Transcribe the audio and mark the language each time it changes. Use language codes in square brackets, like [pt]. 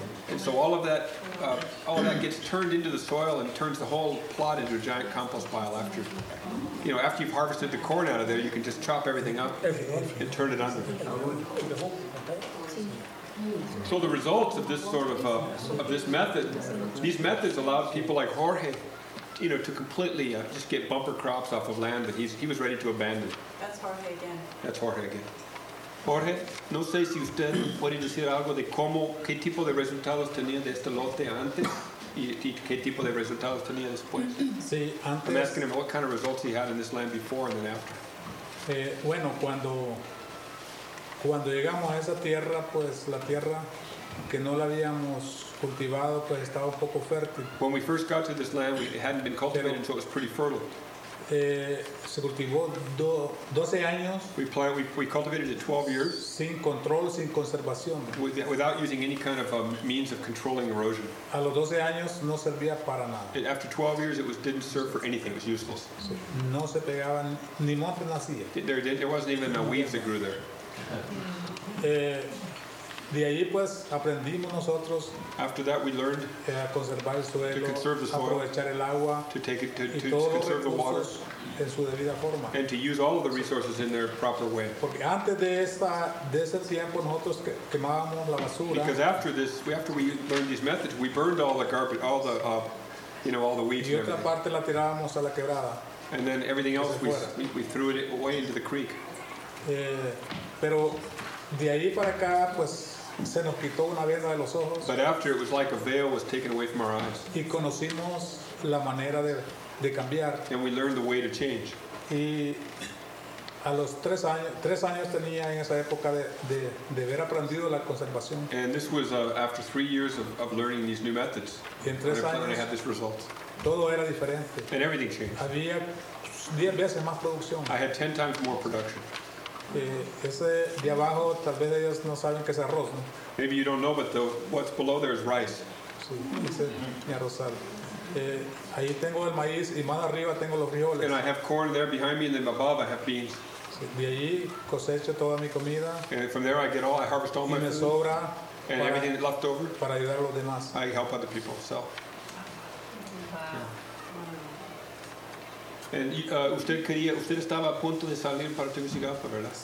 [en] And so all of that gets turned into the soil and turns the whole plot into a giant compost pile after, you know, after you've harvested the corn out of there, you can just chop everything up and turn it under. So the results of this sort of this method, these methods allowed people like Jorge, you know, to completely just get bumper crops off of land that he was ready to abandon. That's Jorge again. [es] Jorge, no sé si usted puede decir algo de cómo, qué tipo de resultados tenía de este lote antes y qué tipo de resultados tenía después. Sí, antes. [en] I'm asking him what kind of results he had in this land before and then after. [es] Bueno, cuando llegamos a esa tierra, pues la tierra que no la habíamos cultivado, pues estaba un poco fértil. [en] When we first got to this land, it hadn't been cultivated, so it was pretty fertile. [es] Se cultivó 12 años. [en] We cultivated it 12 years. [es] Sin control, sin conservación. [en] Without using any kind of means of controlling erosion. [es] A los 12 años no servía para nada. [en] And after 12 years, it didn't serve for anything. It was useless. [es] No se pegaban ni monte nacía. [en] There wasn't even a weed that grew there. [es] De ahí pues aprendimos nosotros. [en] After that we learned [es] a conservar el suelo, [en] to conserve the soil, [es] aprovechar el agua, [en] to take it to conserve the water, [es] en su debida forma, [en] and to use all of the resources in their proper way. [es] Porque antes de ese tiempo nosotros quemábamos la basura. [en] Because after this, after we learned these methods, we burned all the garbage, all the all the weeds. [es] Y otra parte la tirábamos a la quebrada. [en] And then everything else we threw it away into the creek. [es] Pero de ahí para acá, pues, se nos quitó una venda de los ojos. [en] But after, it was like a veil was taken away from our eyes. [es] Y conocimos la manera de cambiar. [en] And we learned the way to change. [es] Y a los tres años tenía en esa época de haber aprendido la conservación. [en] And this was after 3 years of learning these new methods. [es] Y en tres años, [en] I had this result. [es] Todo era diferente. [en] And everything changed. [es] Había 10 veces más producción. [en] I had 10 times more production. [es] Ese de abajo tal vez ellos no saben que es arroz, ¿no? [en] Maybe you don't know, but what's below there is rice. [es] Sí, ese mi arrozal. Ahí tengo el maíz y más arriba tengo los frijoles. [en] And I have corn there behind me, and then above I have beans. [es] Sí, de allí cosecho toda mi comida. [en] And from there I harvest all [es] y me sobra [en] food. And everything that's left over. [es] Para ayudar a los demás. [en] I help other people. So. [es] And usted estaba a punto de salir para Tegucigalpa, ¿verdad?